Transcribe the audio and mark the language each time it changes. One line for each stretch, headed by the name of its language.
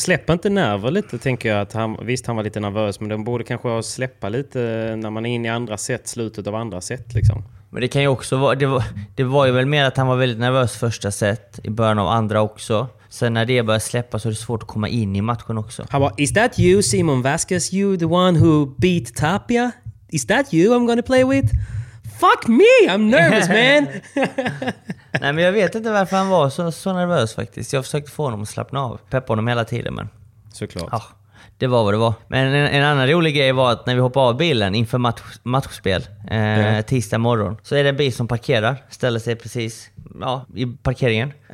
Swedish: Släppa inte nerver lite, tänker jag. Att han, visst, han var lite nervös, men de borde kanske ha släppa lite när man är inne i andra set, slutet av andra set. Liksom. Men det kan ju också vara... Det var ju väl mer att han var väldigt nervös första set, i början av andra också. Sen när det börjar släppa så är det svårt att komma in i matchen också.
English: How about, is that you, Simon Vasquez? You, the one who beat Tapia? Is that you I'm gonna play with? Fuck me, I'm nervous man.
Swedish: Nej, men jag vet inte varför han var så nervös faktiskt. Jag försökte få honom att slappna av. Peppa honom hela tiden, men såklart. Ja, det var vad det var. Men en annan rolig grej var att när vi hoppade av bilen inför matchspel tisdag morgon, så är det en bil som parkerar, ställer sig precis i parkeringen.